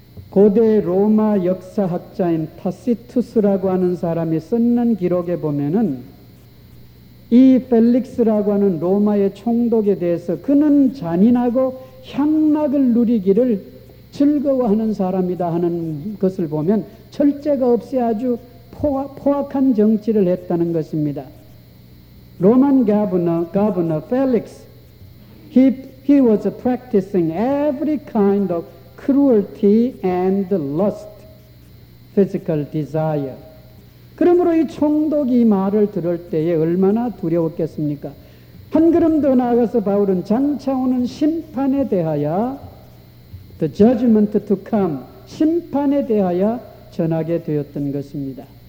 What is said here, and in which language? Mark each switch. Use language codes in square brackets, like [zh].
[ko] 고대 로마 역사학자인 타시투스라고 하는 사람이 쓰는 기록에 보면은 이 펠릭스라고 하는 로마의 총독에 대해서 그는 잔인하고 향락을 누리기를 즐거워하는 사람이다 하는 것을 보면 절제가 없이 아주 포악한 정치를 했다는 것입니다. [en] 로만 가버너 펠릭스, he was practicing every kind of cruelty and lust, physical desire. [ko] 그러므로 이 총독이 말을 들을 때에 얼마나 두려웠겠습니까? 한 걸음 더 나아가서 바울은 장차 오는 심판에 대하여 [en] The judgment to come, [ko] 심판에 대하여 전하게 되었던 것입니다.